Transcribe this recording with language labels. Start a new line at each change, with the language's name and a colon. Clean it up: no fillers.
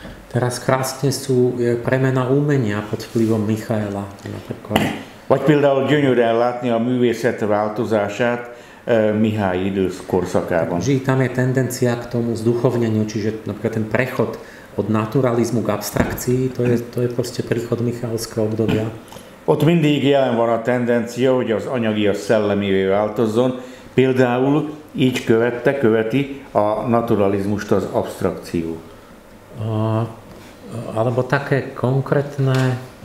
Slovak: Teraz krásne sú premena umenia pod vplyvom Michaela. Napríklad.
Hungarian: Vagy például gyönyörűen látni a művészet változását Mihály időskorszakában.
Slovak: Takže tam je tendencia k tomu zduchovneniu, čiže napríklad ten prechod od naturalizmu k abstrakcii, to je proste príchod Michalského obdobia.
Hungarian: Ott mindig jelen van a tendencia, hogy az anyagi a szellemivé változzon, például így követi a naturalizmust az abstrakció.
Slovak: Alebo také konkrétne...